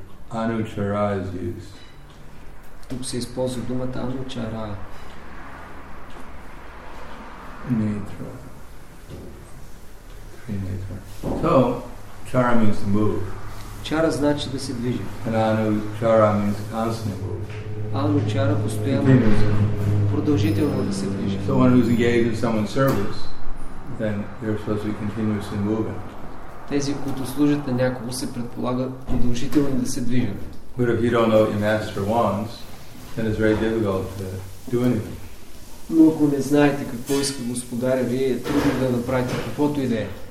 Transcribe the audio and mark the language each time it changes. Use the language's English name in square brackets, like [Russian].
[English] Anuchara is used. [Bulgarian] Тук се използва думата Anuchara. [English] Netra. Netra. So, chara means to move. [Bulgarian] Chara значи да се движи. [English] And Anuchara means constant move. [Bulgarian] Anuchara постоянно. Продължително да се движи. [English] So, one who's engaged in someone's service, then they're supposed to be continuously moving. [Bulgarian] Тези, които служат на някого, се предполагат продължително да се движат. [English] But if you don't know what your master wants, then it's very difficult to do anything. [Bulgarian] Но ако не знаете какво иска господаря ви, е трудно да направите каквото и да е.